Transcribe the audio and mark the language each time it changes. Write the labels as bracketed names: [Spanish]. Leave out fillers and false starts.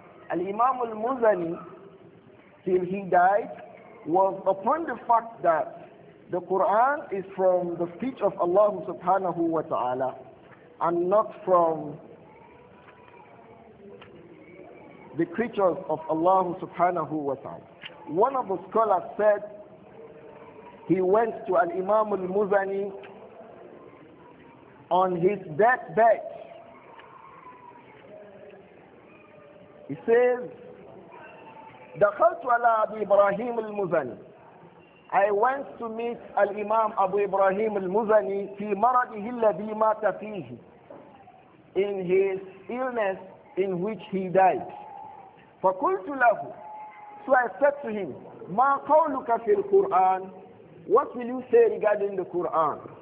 [English] Al-Imam al-Muzani, till he died, was upon the fact that the Quran is from the speech of Allah subhanahu wa ta'ala and not from the creatures of Allah subhanahu wa ta'ala. One of the scholars said he went to Al-Imam al-Muzani on his deathbed. He says, [Arabic] دخلت على أبي إبراهيم المزني [English] I went to meet Al-Imam Abu Ibrahim Al-Muzani [Arabic] fi maradihi alladhi mata fihi, [English] in his illness in which he died. [Arabic] فَقُلْتُ لَهُ, [English] so I said to him, [Arabic] مَا قَوْلُكَ فِي الْقُرْآنِ, [English] what will you say regarding the Qur'an?